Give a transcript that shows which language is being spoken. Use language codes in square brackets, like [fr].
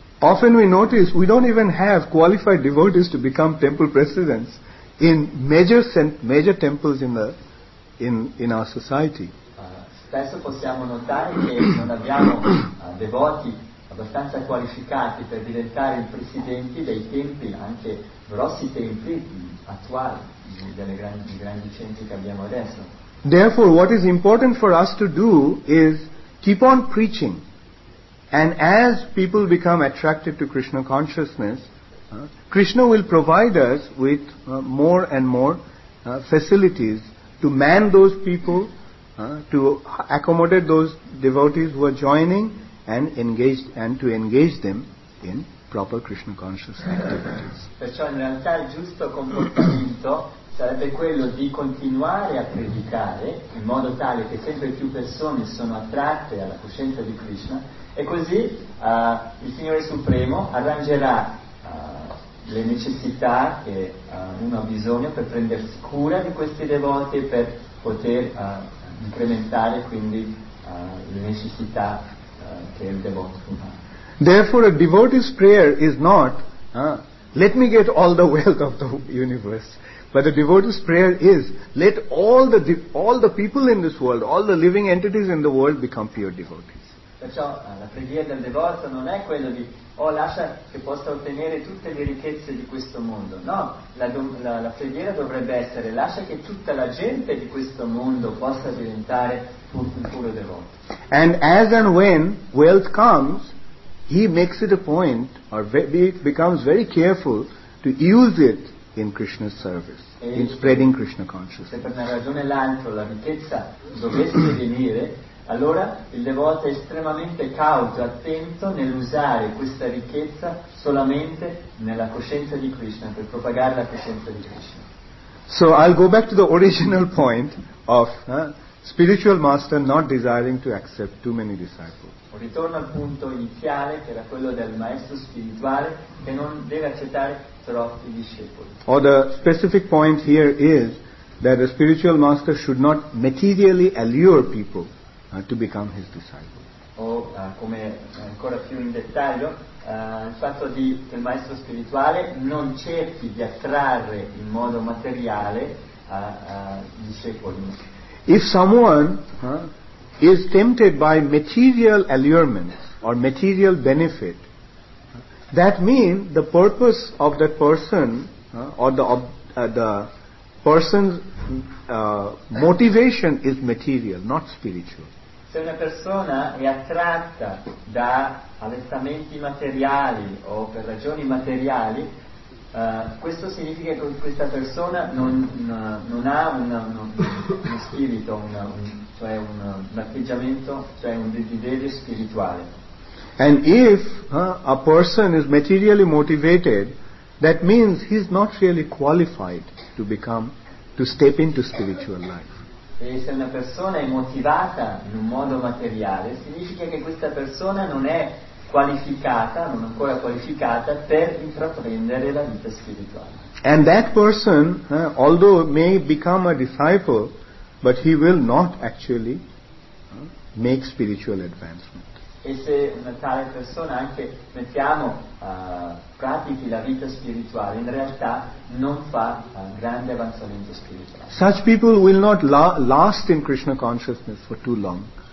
[en] Often we notice we don't even have qualified devotees to become temple presidents in major temples in our society. [it] Spesso possiamo notare che non abbiamo devoti abbastanza qualificati per diventare i presidenti dei templi, anche grossi templi attuali, delle grandi centri che abbiamo adesso. [en] Therefore, what is important for us to do is keep on preaching. And as people become attracted to Krishna consciousness, Krishna will provide us with more and more facilities to man those people, to accommodate those devotees who are joining and engaged, and to engage them in proper Krishna conscious activities. [it] Perciò in realtà il giusto comportamento sarebbe quello di continuare a predicare in modo tale che sempre più persone sono attratte alla coscienza di Krishna, e così il Signore Supremo arrangerà le necessità che uno ha bisogno per prendersi cura di questi devoti e per poter incrementare quindi le necessità che il devoto ha. [en] Therefore a devotee's prayer is not let me get all the wealth of the universe, but a devotee's prayer is let all the people in this world, all the living entities in the world become pure devotees. [it] Perciò la preghiera del devoto non è quello di lascia che possa ottenere tutte le ricchezze di questo mondo. No, la preghiera dovrebbe essere lascia che tutta la gente di questo mondo possa diventare un puro devoto. [en] And as and when wealth comes, he makes it a point, or becomes very careful to use it in Krishna's service, in spreading Krishna consciousness. [it] Se per una ragione o l'altra la ricchezza dovesse venire, allora il devoto è estremamente cauto, attento nell'usare questa ricchezza solamente nella coscienza di Krishna, per propagare la coscienza di Krishna. [en] So I'll go back to the original point of spiritual master not desiring to accept too many disciples. [it] Ritorno al punto iniziale, che era quello del maestro spirituale che non deve accettare troppi discepoli. [en] Or the specific point here is that a spiritual master should not materially allure people to become his disciple. [it] O come ancora più in dettaglio, il fatto di che il maestro spirituale non cerchi di attrarre in modo materiale discepoli. [en] If someone is tempted by material allurement or material benefit, that means the purpose of that person or the person's motivation is material, not spiritual. [it] Se una persona è attratta da allestamenti materiali o per ragioni materiali, questo significa che questa persona non ha uno spirito, cioè un atteggiamento, cioè un desiderio spirituale. [en] And if a person is materially motivated, that means he's not really qualified to become, to step into spiritual life. [it] E se una persona è motivata in un modo materiale, significa che questa persona non è qualificata, non ancora qualificata, per intraprendere la vita spirituale. [en] And that person, although may become a disciple, but he will not actually make spiritual advancement. [it] E se una tale persona anche, mettiamo, pratichi la vita spirituale, in realtà non fa grande avanzamento spirituale. [en] Such people will not last in Krishna consciousness for too long.